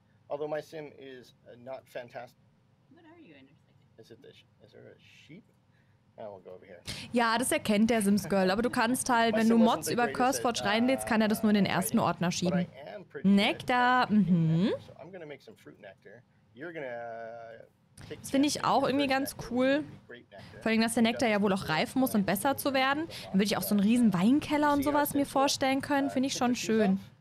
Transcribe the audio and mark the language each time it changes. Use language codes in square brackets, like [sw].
[en] Although my sim is not fantastic. What are you intersecting? Is there a sheep? We'll go over here. [de] Ja, das erkennt der Sims Girl, aber du kannst halt, wenn du Mods über CurseForge reinlädst, kann er das nur in den ersten Ordner schieben. Nektar. [en] So I'm gonna make some fruit nectar. You're gonna [de] Das finde ich auch irgendwie ganz cool. Vor allem, dass der Nektar ja wohl auch reifen muss, um besser zu werden. Dann würde ich auch so einen riesen Weinkeller und sowas mir vorstellen können. Finde ich schon schön.